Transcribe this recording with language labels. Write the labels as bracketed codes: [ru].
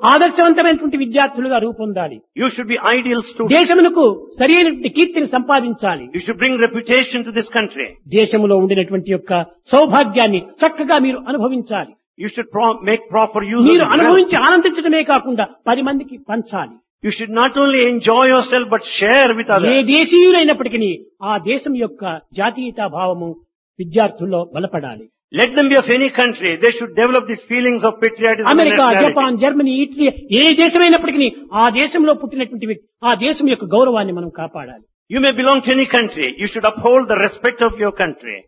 [te] ఆదర్శవంతమైనటువంటి విద్యార్థులుగా రూపొందాలి. [en] You should be ideal student. [te] దేశమునకు సరైనటువంటి కీర్తిని సంపాదించాలి. [en] You should bring reputation to this country. [te] దేశంలో ఉండేటువంటి యొక్క సౌభాగ్యాన్ని చక్కగా మీరు అనుభవించాలి. [en] You should make proper use. [te] మీరు అనుభవించి ఆనందించడమే కాకుండా 10 మందికి పంచాలి. [en] You should not only enjoy yourself but share with others. [te] ఏ దేశీయులైనప్పటికి ఆ దేశం యొక్క జాతీయత భావము విద్యార్థుల్లో బలపడాలి. [en] Let them be of any country, they should develop the feelings of patriotism. [te] America, Japan, Germany, Italy ఏ దేశమైనప్పటికి ఆ దేశంలో పుట్టినటువంటి వ్యక్తి ఆ దేశం యొక్క గౌరవాన్ని మనం కాపాడాలి. [en] You may belong to any country, you should uphold the respect of your country.